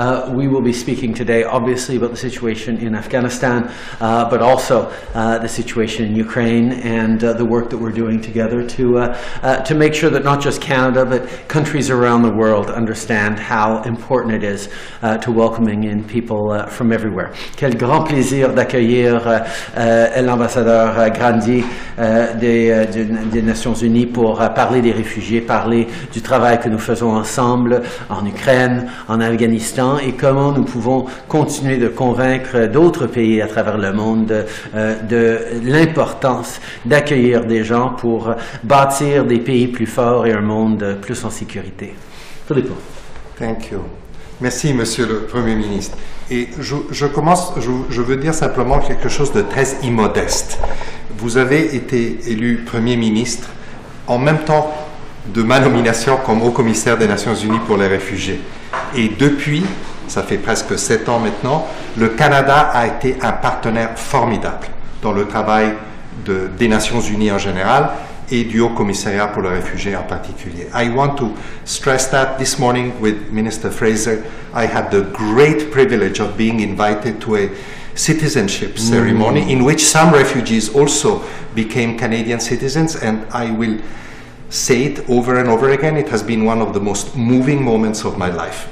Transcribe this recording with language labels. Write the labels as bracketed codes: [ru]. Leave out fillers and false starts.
[en] We will be speaking today, obviously, about the situation in Afghanistan, but also the situation in Ukraine and the work that we're doing together to make sure that not just Canada, but countries around the world understand how important it is to welcoming in people from everywhere. [fr] Quel grand plaisir d'accueillir l'ambassadeur Grandi des Nations Unies pour parler des réfugiés, parler du travail que nous faisons ensemble en Ukraine, en Afghanistan et comment nous pouvons continuer de convaincre d'autres pays à travers le monde de l'importance d'accueillir des gens pour bâtir des pays plus forts et un monde plus en sécurité. Filippo. [en] Thank you. [fr] Merci, Monsieur le Premier ministre. Et je veux dire simplement quelque chose de très immodeste. Vous avez été élu Premier ministre en même temps de ma nomination comme haut-commissaire des Nations Unies pour les réfugiés. Et depuis, ça fait presque 7 ans maintenant, le Canada a été un partenaire formidable dans le travail des Nations Unies en général et du Haut-Commissariat pour les réfugiés en particulier. [en] I want to stress that this morning with Minister Fraser, I had the great privilege of being invited to a citizenship ceremony in which some refugees also became Canadian citizens, and I will say it over and over again, it has been one of the most moving moments of my life.